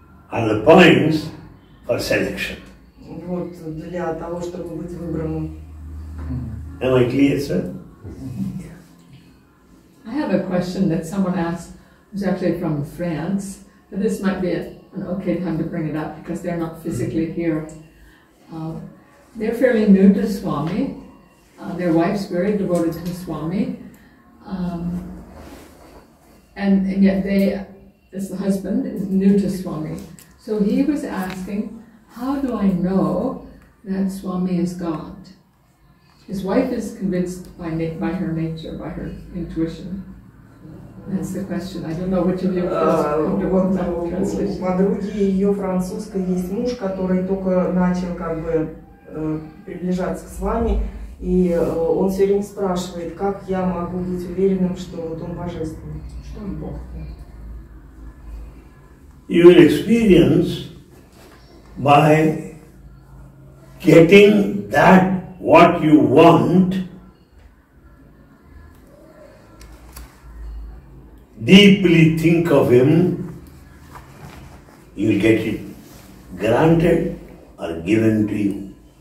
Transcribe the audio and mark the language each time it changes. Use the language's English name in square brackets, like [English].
[English] And the points for selection. [Russian] Вот для того, чтобы быть выбранным. [English] Am I clear, sir? I have a question that someone asked. It was actually from France, but this might be an okay time to bring it up because they're not physically here. They're fairly new to Swami. Their wife's very devoted to Swami, and yet they, as the husband, is new to Swami. So he was asking, how do I know that Swami is God? His wife is convinced by her nature, by her intuition. That's the question. I don't know which of you first come to want that translation. [Russian] У подруги ее французской есть муж, который только начал как бы приближаться к Свами, и он все время спрашивает, как я могу быть уверенным, что вот он божественный, что он Бог. [English] You will experience by getting that what you want deeply, think of him, you will get it granted or given to you.